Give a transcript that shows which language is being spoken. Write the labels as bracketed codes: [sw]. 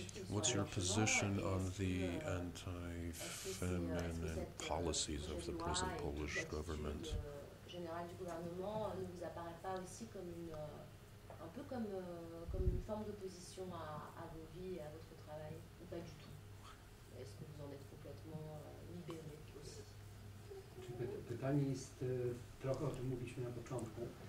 [en] What's your position on the anti-feminine policies of the present Polish government? [fr] Général du gouvernement ne vous apparaît pas aussi comme une un peu comme comme une forme d'opposition à vos vies et à votre travail ou pas du tout? Est-ce que vous en êtes complètement libéré aussi? Tu peux [pl] pytanie jest trochę o czym mówiliśmy na początku.